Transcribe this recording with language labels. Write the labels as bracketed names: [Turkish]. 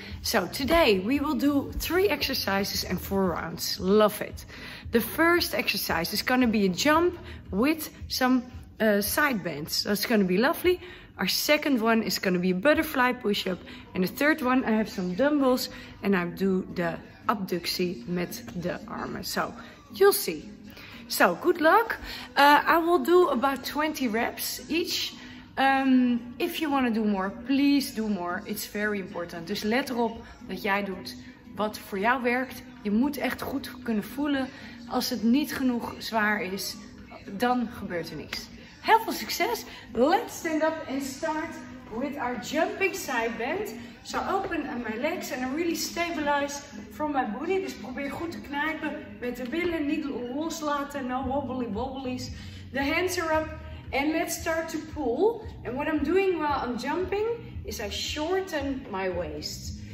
[English] So, today we will do 3 exercises and 4 rounds. Love it. The first exercise is going to be a jump with some side bends. That's going to be lovely. Our second one is going to be a butterfly push-up. And the third one, I have some dumbbells. And I do the abductie [Dutch] met [English] the armen. So, you'll see. So, good luck. I will do about 20 reps each. If you want to do more, please do more. It's very important. [Dutch] Dus let erop dat jij doet wat voor jou werkt. Je moet echt goed kunnen voelen. Als het niet genoeg zwaar is, dan gebeurt er niks. Heel veel succes. [English] Let's stand up and start with our jumping side bend. So open my legs and I really stabilize from my booty. [Dutch] Dus probeer goed te knijpen met de billen. Niet loslaten. [English] No wobbly wobblies. The hands are up and let's start to pull. And what I'm doing while I'm jumping is I shorten my waist.